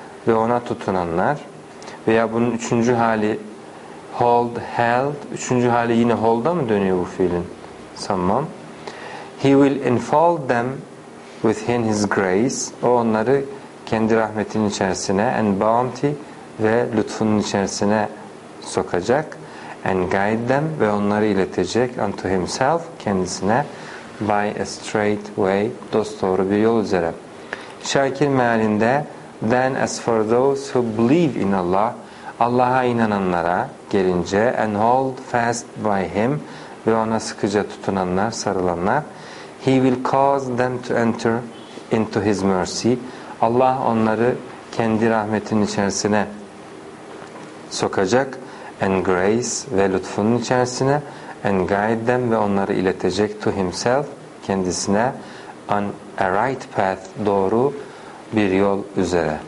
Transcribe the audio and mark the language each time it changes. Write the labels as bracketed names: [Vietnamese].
[Turkish] ve ona tutunanlar. Veya bunun üçüncü hali hold, held. Üçüncü hali yine hold'a mı dönüyor bu fiilin? Sanmam. [English] He will enfold them within his grace. [Turkish] O onları kendi rahmetinin içerisine, [English] and bounty, [Turkish] ve lütfunun içerisine sokacak. [English] And guide them, [Turkish] ve onları iletecek, [English] unto himself, [Turkish] kendisine, [English] by a straight way, [Turkish] dosdoğru bir yol üzere. Şakir mealinde, [English] then as for those who believe in Allah, [Turkish] Allah'a inananlara gelince, [English] and hold fast by him, [Turkish] ve ona sıkıca tutunanlar, sarılanlar, [English] he will cause them to enter into his mercy. [Turkish] Allah onları kendi rahmetinin içerisine sokacak, [English] and grace, [Turkish] ve lütfunun içerisine, [English] and guide them, [Turkish] ve onları iletecek, [English] to himself, [Turkish] kendisine, [English] on a right path, [Turkish] doğru bir yol üzere.